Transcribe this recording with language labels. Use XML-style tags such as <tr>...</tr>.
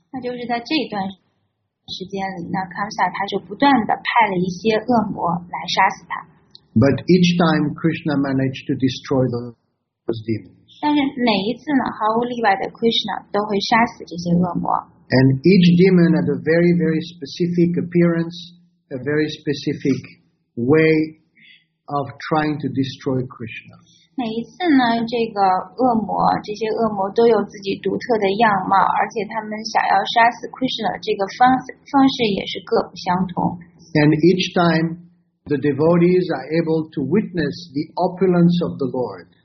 <zh>那就是在这段时间里，那 Kamsa 他就不断的派了一些恶魔来杀死他。</zh> <en>But each time Krishna managed to destroy those demons.</en> <zh>但是每一次呢，毫无例外的 Krishna 都会杀死这些恶魔。</zh> <en>And each demon had a very very specific appearance, a very specific. Way of trying to destroy Krishna.</en> <zh>每一次呢，这个恶魔，这些恶魔都有自己独特的样貌，而且他们想要杀死 Krishna 这个方式也是各不相同。</zh> <en>And each time, the devotees are able to witness the opulence of the Lord.</en>